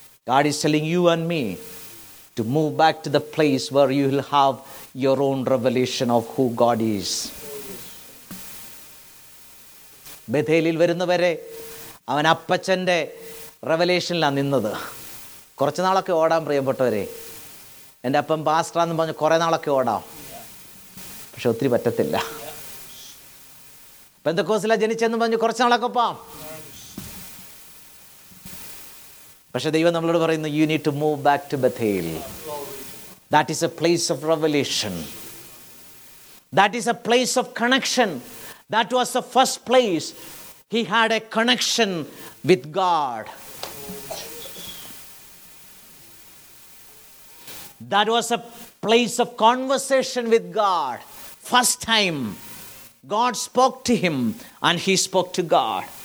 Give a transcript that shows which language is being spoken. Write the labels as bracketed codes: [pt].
[en] God is telling you and me to move back to the place where you will have your own revelation of who God is. [ml] ബഥേലിൽ വരുന്നവരെ അവൻ അപ്പച്ചൻ്റെ റെവലേഷനിലാണ് നിന്നത്. കുറച്ച് നാളൊക്കെ ഓടാം പ്രിയപ്പെട്ടവരെ. എൻ്റെ അപ്പൻ പാസ്റ്ററാന്ന് പറഞ്ഞ് കുറേ നാളൊക്കെ ഓടാം, പക്ഷെ ഒത്തിരി പറ്റത്തില്ല. പെന്തക്കോസ്തിലാണ് ജനിച്ചെന്ന് പറഞ്ഞ് കുറച്ച് നാളൊക്കെ പോവാം, പക്ഷേ ദൈവം നമ്മളോട് പറയുന്നു [en] You need to move back to Bethel. That is a place of revelation. That is a place of connection. That was the first place he had a connection with God. That was a place of conversation with God. First time God spoke to him and he spoke to God.